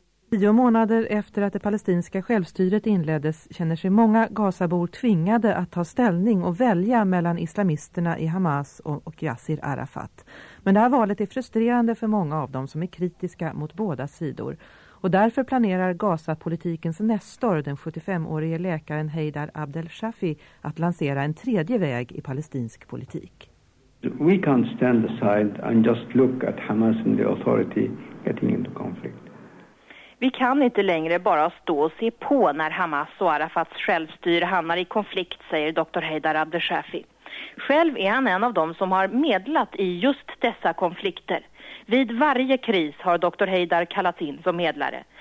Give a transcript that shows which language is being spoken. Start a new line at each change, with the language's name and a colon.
Swedish: 10 månader efter att det palestinska självstyret inleddes känner sig många Gazabor tvingade att ta ställning och välja mellan islamisterna i Hamas och Yasser Arafat. Men det här valet är frustrerande för många av dem som är kritiska mot båda sidor. Och därför planerar Gaza-politikens nästor, den 75-årige läkaren Heydar Abdel Shafi, att lansera en tredje väg i palestinsk politik.
English: We can't stand aside and just look at Hamas and the authority getting into conflict.
Swedish: Vi kan inte längre bara stå och se på när Hamas och Arafats självstyre hamnar i konflikt, säger Dr. Heydar Abdel Shafi. Själv är han en av dem som har medlat i just dessa konflikter. Vid varje kris har Dr. Heydar kallats in som medlare.